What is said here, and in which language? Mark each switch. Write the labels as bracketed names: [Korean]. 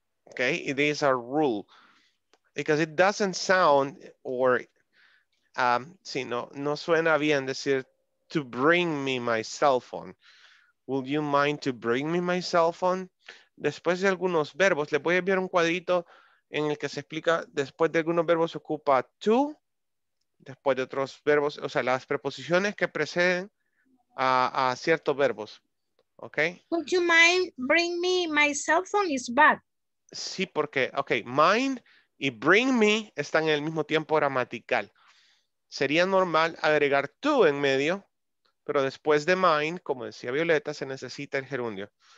[English] Okay, it is a rule. Because it doesn't sound or, [Spanish] no suena bien decir [English] to bring me my cell phone. Would you mind to bring me my cell phone? [Spanish] Después de algunos verbos, le voy a enviar un cuadrito en el que se explica, después de algunos verbos se ocupa to, después de otros verbos, o sea, las preposiciones que preceden a ciertos verbos. [English] Okay? Would you mind bring me my cell phone is bad. [Spanish] Sí, porque, okay, mind y bring me están en el mismo tiempo gramatical. Sería normal agregar to en medio, pero después de mind, como decía Violeta, se necesita el gerundio.